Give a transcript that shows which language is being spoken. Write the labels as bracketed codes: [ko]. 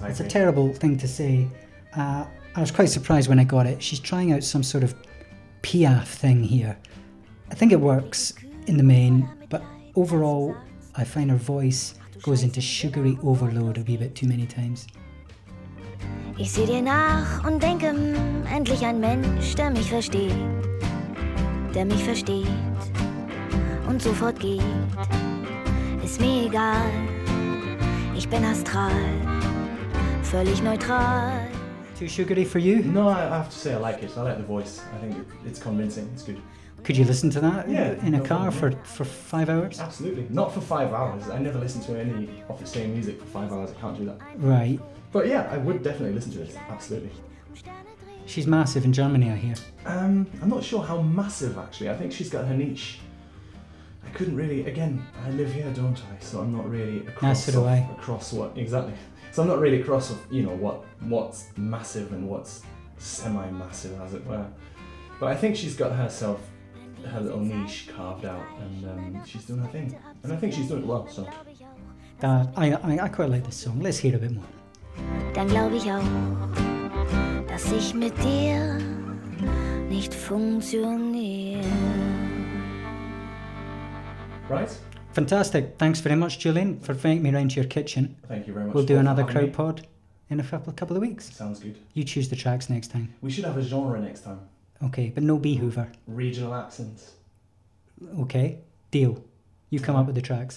[en] It's a terrible thing to say. I was quite surprised when I got it. She's trying out some sort of Piaf thing here. I think it works in the main, but overall, I find her voice goes into sugary overload a wee bit too many times. [de] Ich seh dir nach und denke, endlich ein Mensch, der mich versteht. Der mich versteht und sofort geht. Ist mir egal, ich bin astral, völlig neutral. [en] Too sugary for you? No, I have to say I like it. I like the voice. I think it's convincing, it's good. Could you listen to that in a car for 5 hours? Absolutely. Not for 5 hours. I never listen to any of the same music for 5 hours. I can't do that. Right. But yeah, I would definitely listen to it. Absolutely. She's massive in Germany, I hear. I'm not sure how massive, actually. I think she's got her niche. I couldn't really... Again, I live here, don't I? So I'm not really across... Yeah, so do I. Across what... Exactly. So I'm not really across, you know, what's massive and what's semi-massive, as it were. But I think she's got herself, her little niche carved out, and she's doing her thing. And I think she's doing it well, so... I quite like this song. Let's hear a bit more. [de] Dann glaube ich auch, dass ich mit dir nicht funktioniere. [en] Right? Fantastic. Thanks very much, Julian, for inviting me around to your kitchen. Thank you very much. We'll do another crowd pod in a couple of weeks. Sounds good. You choose the tracks next time. We should have a genre next time. Okay, but no Beehoover. Regional accents. Okay, deal. You come up with the tracks.